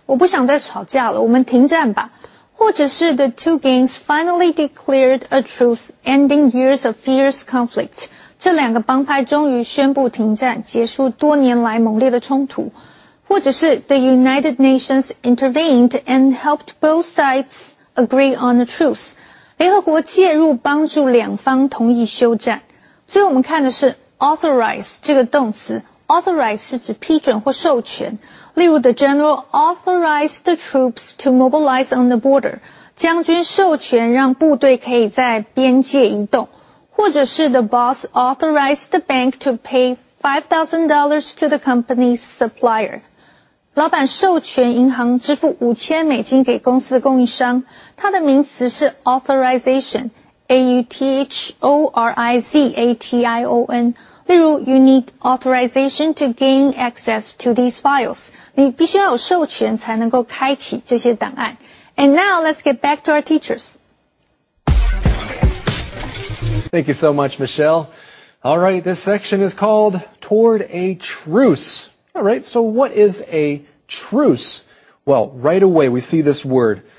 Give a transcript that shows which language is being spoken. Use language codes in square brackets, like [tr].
[zh] 我不想再吵架了，我们停战吧。或者是 [en] the two gangs finally declared a truce, ending years of fierce conflict. [zh] 这两个帮派终于宣布停战，结束多年来猛烈的冲突。或者是 [en] the United Nations intervened and helped both sides agree on a truce. [zh] 联合国介入帮助两方同意休战。所以我们看的是 authorize 这个动词。authorize 是指批准或授权。例如 [en] the general authorized the troops to mobilize on the border. [zh] 将军授权让部队可以在边界移动。或者是 [en] the boss authorized the bank to pay $5,000 to the company's supplier. [zh] 老板授权银行支付$5,000给公司的供应商，它的名词是 authorization, A-U-T-H-O-R-I-Z-A-T-I-O-N。例如 [en] ,you need authorization to gain access to these files. [zh] 你必须要有授权才能够开启这些档案。 [en] And now, let's get back to our teachers. Thank you so much, Michelle. All right, this section is called Toward a Truce. All right, so what is a truce? Well, right away we see this word.